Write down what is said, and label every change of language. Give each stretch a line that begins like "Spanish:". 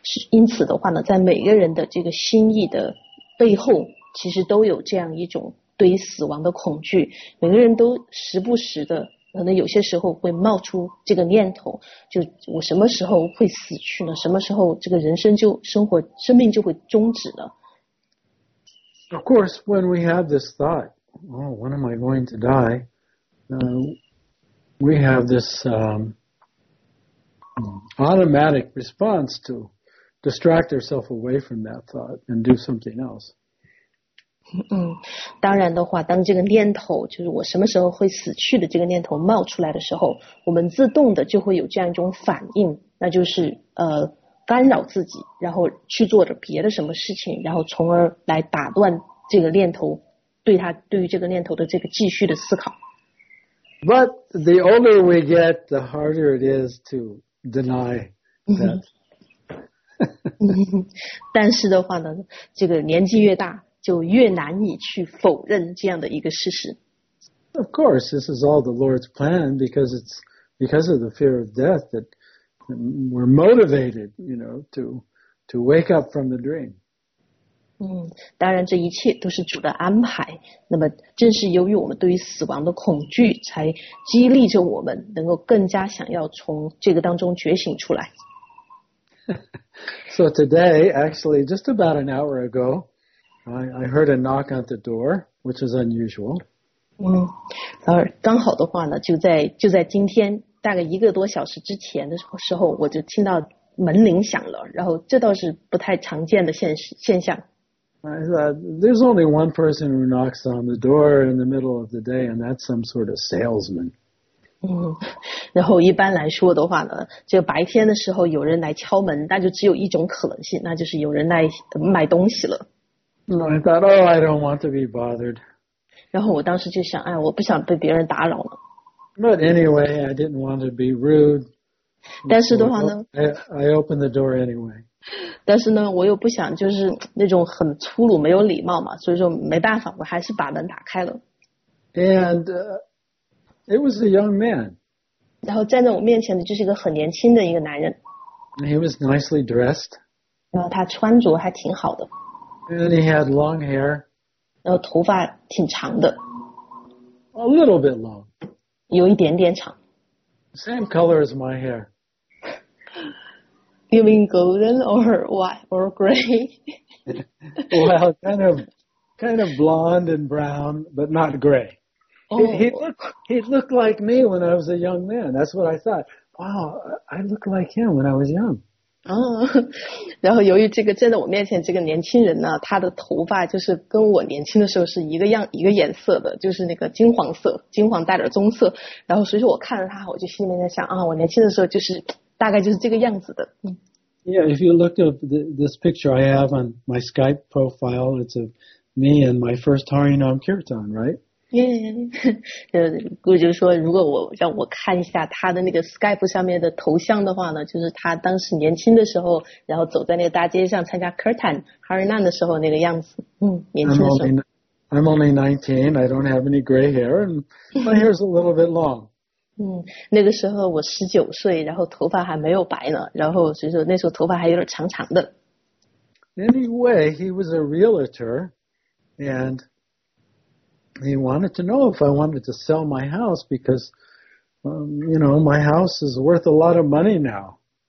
Chinese: 因此的话呢，在每个人的这个心意的背后，其实都有这样一种对于死亡的恐惧。每个人都时不时的，可能有些时候会冒出这个念头，就我什么时候会死去呢？什么时候这个人生就生活生命就会终止呢？
English: Of course, when we have this thought, oh, when am I going to die? We have this automatic response to distract ourselves away from that thought and do something else.
Chinese: 当然的话，当这个念头，就是我什么时候会死去的这个念头冒出来的时候，我们自动的就会有这样一种反应，那就是干扰自己，然后去做着别的什么事情，然后从而来打断这个念头，对于这个念头的这个继续的思考。
English: But the older we get, the harder it is to deny that. But of course, this is all the Lord's plan because it's because of the fear of death that we're motivated, you know, to wake up from the dream.
Chinese: 当然这一切都是主的安排，那么正是由于我们对于死亡的恐惧才激励着我们能够更加想要从这个当中觉醒出来。
English: So today, actually just about an hour ago, I heard a knock at the door, which is unusual.
Chinese: 刚好的话呢，就在今天大概一个多小时之前的时候，我就听到门铃响了，然后这倒是不太常见的现象。
English: I thought, there's only one person who knocks on the door in the middle of the day, and that's some sort of salesman.
Chinese: 然后一般来说的话呢，这个白天的时候有人来敲门，那就只有一种可能性，那就是有人来买东西了。
English: I thought, oh, I don't want to be bothered.
Chinese: 然后我当时就想，哎，我不想被别人打扰了。
English: But anyway, I didn't want to be rude.
Chinese: 但是的话呢，
English: I opened the door anyway.
Chinese: 但是呢，我又不想就是那种很粗鲁没有礼貌嘛，所以说没办法，我还是把门打开了。
English: And It was a young man.
Chinese: 然后站在我面前的就是一个很年轻的一个男人。
English: And he was nicely dressed.
Chinese: 然后他穿着还挺好的。
English: And he had long hair.
Chinese: 然后头发挺长的。
English: A little bit long.
Chinese: 有一点点长。
English: Same color as my hair. You mean golden or white or gray? Well, kind of blonde and brown, but not gray. He looked like me when I was a young man. That's what I thought. Wow, I looked like him when I was young.
Chinese: Oh, 然后由于这个站在我面前这个年轻人呢，他的头发就是跟我年轻的时候是一个样一个颜色的，就是那个金黄色，金黄带点棕色。然后所以说我看着他，我就心里面在想啊，我年轻的时候就是大概就是这个样子的。
English: Yeah, if you look at this picture I have on my Skype profile, it's of me and my first Harinam Kirtan, right?
Chinese: Yeah, 顾就说如果我让我看一下他的那个 Skype 上面的头像的话呢，就是他当时年轻的时候，然后走在那个大街上参加 Kirtan Harinam 的时候那个样子，年轻的时候。
English: I'm only 19, I don't have any gray hair, and my hair's a little bit long.
Chinese: 那个时候我19岁，然后头发还没有白呢，然后所以说那时候头发还有点长长的。
English: Anyway, he was a realtor, and he wanted to know if I wanted to sell my house because, you know, my house is worth a lot of money now.